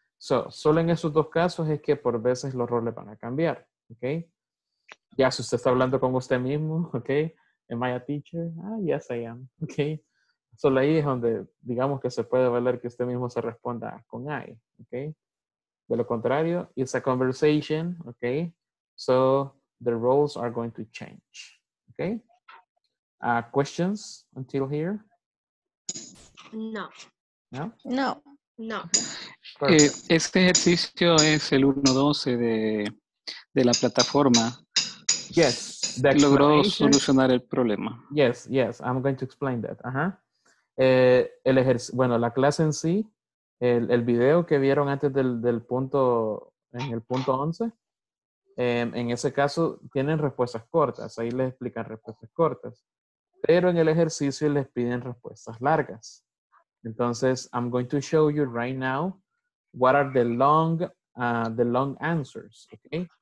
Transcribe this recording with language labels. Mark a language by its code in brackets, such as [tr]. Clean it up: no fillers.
[es] So, solo en esos dos casos es que por veces los roles van a cambiar, okay? Ya si usted está hablando con usted mismo, okay? [en] Am I a teacher? Ah, yes, I am, [es] okay? Solo ahí es donde digamos que se puede valer que usted mismo se responda con I, okay? De lo contrario, [en] it's a conversation, okay? So the roles are going to change, okay? Questions until here? No. No? No. No. [es] Este ejercicio es el 1-12 de la plataforma. [en] Yes. [es] Logró solucionar el problema. [en] Yes, yes. I'm going to explain that. Uh-huh. [es] La clase en sí, el video que vieron antes del punto, en el punto 11, en ese caso tienen respuestas cortas, ahí les explican respuestas cortas, pero en el ejercicio les piden respuestas largas. Entonces, [en] I'm going to show you right now what are the long answers, okay?